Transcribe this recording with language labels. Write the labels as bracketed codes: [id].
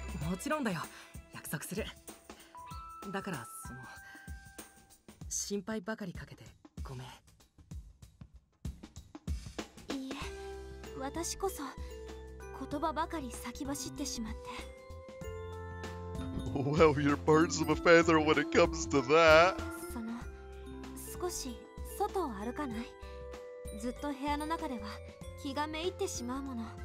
[ja] もちろんだよ、約束する。だからその心配ばかりかけてごめん。いいえ、私こそ言葉ばかり先走ってしまって。 [en] Well, you're birds of a feather when it comes to that. [ja] その少し外を歩かない？ずっと部屋の中では気がめいってしまうもの。